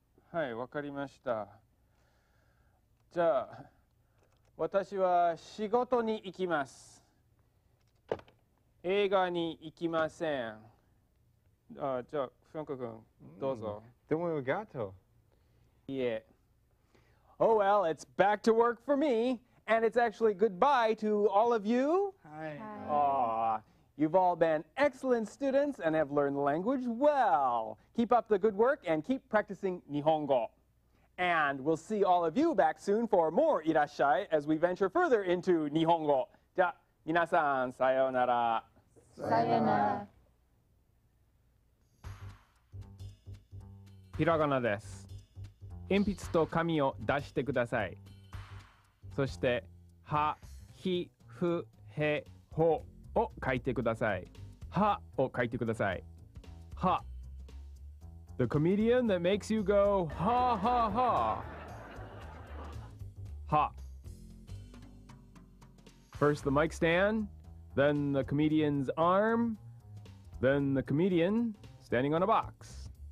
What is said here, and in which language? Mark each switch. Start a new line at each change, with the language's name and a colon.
Japanese: はい、わかりました。じゃあ私は仕事に行きます。映画に行きません。あ、じゃあフランコ君どうぞ。でもありがとう。いえ。
English: Oh well, it's back to work for me, and it's actually goodbye to all of you.
Japanese: はい。あ、
English: You've all been excellent students and have learned the language well. Keep up the good work and keep practicing Nihongo. And we'll see all of you back soon for more Irasshai as we venture further into Nihongo.
Japanese: Ja, minasan, sayonara. Sayonara. Hiragana desu. 鉛筆と紙を出してください。そして、は、ひ、ふ、へ、ほを書いてください。はを書いてください。は。
English: The comedian that makes you go, ha, ha, ha.
Japanese: は。
English: First the mic stand, then the comedian's arm, then the comedian standing on a box.